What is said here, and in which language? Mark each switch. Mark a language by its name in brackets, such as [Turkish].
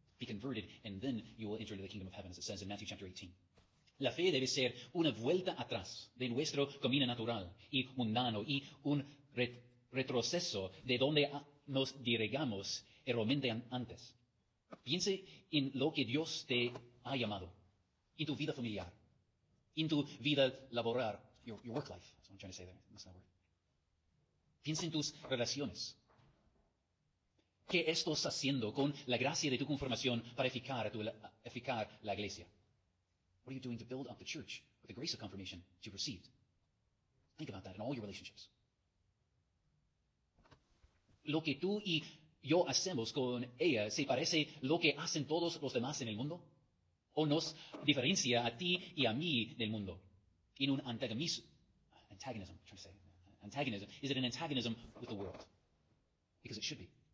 [English] Be converted, and then you will enter into the kingdom of heaven, as it says in Matthew chapter 18. [Spanish] La fe debe ser una vuelta atrás de nuestro camino natural y mundano y un retroceso de donde nos dirigamos erróneamente antes. Piense en lo que Dios te ha llamado, en tu vida familiar, en tu vida laboral, your work life. That's what I'm trying to say there. [English] That's not a word. Piense en tus relaciones. [Spanish] ¿Qué estás haciendo con la gracia de tu confirmación para edificar la iglesia? [English] What are you doing to build up the church with the grace of confirmation you received? Think about that in all your relationships. [Spanish] lo que tú y yo hacemos con ella se parece lo que hacen todos los demás en el mundo? ¿O nos diferencia a ti y a mí del mundo? [English] In un antagonismo. Antagonism, I'm trying to say. Antagonism. Is it an antagonism with the world? Because it should be.